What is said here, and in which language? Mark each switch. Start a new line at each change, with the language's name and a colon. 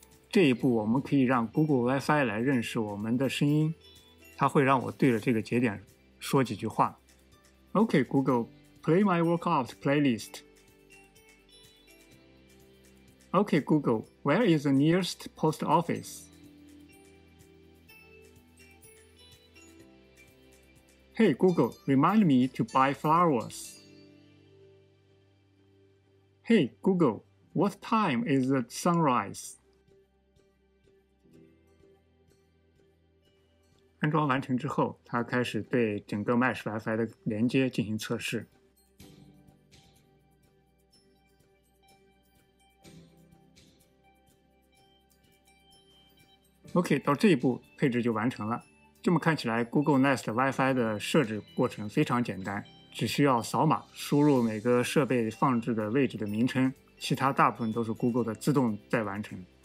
Chinese: 这一步我们可以让 Google Wi-Fi 来认识我们的声音，它会让我对着这个节点说几句话。
English: OK Google, play my workout playlist. OK Google, where is the nearest post office? Hey Google, remind me to buy flowers. Hey Google, what time is the sunrise?
Chinese: 安装完成之后，它开始对整个 Mesh Wi-Fi 的连接进行测试。 OK, 到这一步配置就完成了。这么看起来 Google Nest Wi-Fi 的设置过程非常简单，只需要扫码输入每个设备放置的位置的名称，其他大部分都是 Google 的自动在完成。